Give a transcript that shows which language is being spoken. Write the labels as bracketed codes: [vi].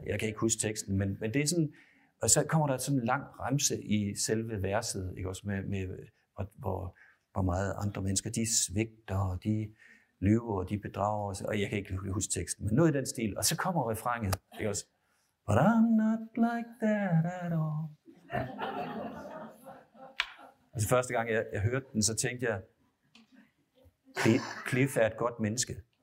[da] Jeg kan ikke huske teksten, men det er sådan. Og så kommer der sådan en lang remse i selve verset, ikke også med hvor meget andre mennesker, de svigter, og de lyver, og de bedrager, og jeg kan ikke huske teksten, men noget i den stil. Og så kommer refrænget, ikke også? [en] But I'm not like that at all. [da] Altså første gang, jeg hørte den, så tænkte jeg, Cliff er et godt menneske.